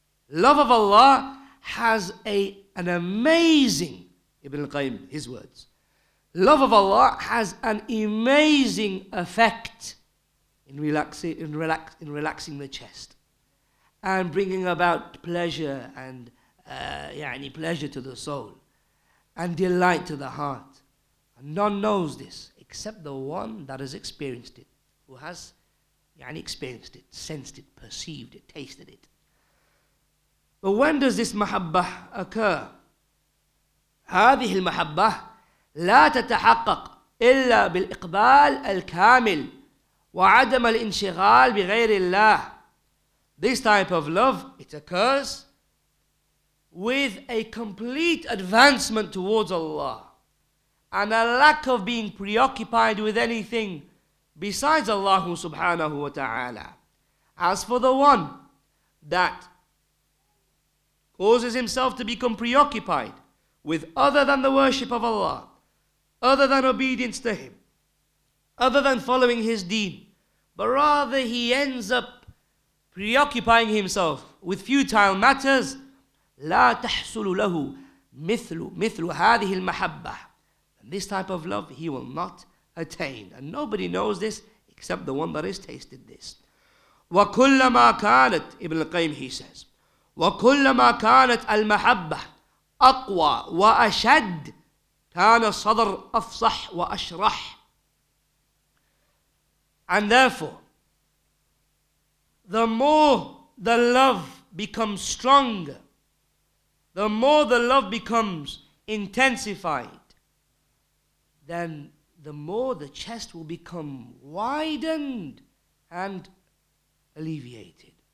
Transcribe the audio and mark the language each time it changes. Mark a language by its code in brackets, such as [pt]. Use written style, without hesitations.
[en] Love of Allah has an amazing, Ibn al-Qayyim, his words, love of Allah has an amazing effect in relaxing the chest and bringing about pleasure and pleasure to the soul and delight to the heart. And none knows this except the one that has experienced it, who has experienced it, sensed it, perceived it, tasted it. But when does this mahabbah occur? [ar] هذه المحبة لا تتحقق إلا بالإقبال الكامل وعدم الانشغال بغير الله. [en] This type of love, it occurs with a complete advancement towards Allah and a lack of being preoccupied with anything besides Allah subhanahu wa ta'ala. As for the one that causes himself to become preoccupied with other than the worship of Allah, other than obedience to Him, other than following His deen, but rather he ends up preoccupying himself with futile matters, [ar] لا تحصل له مثل هذه المحبة. [en] And this type of love he will not attain. And nobody knows this except the one that has tasted this. [ar] وكلما كانت, Ibn al-Qayyim, [en] he says, [ar] وكلما كانت المحبة أقوى وأشد كان الصدر أفصح وأشرح. [en] And therefore, the more the love becomes stronger, the more the love becomes intensified, then the more the chest will become widened and alleviated.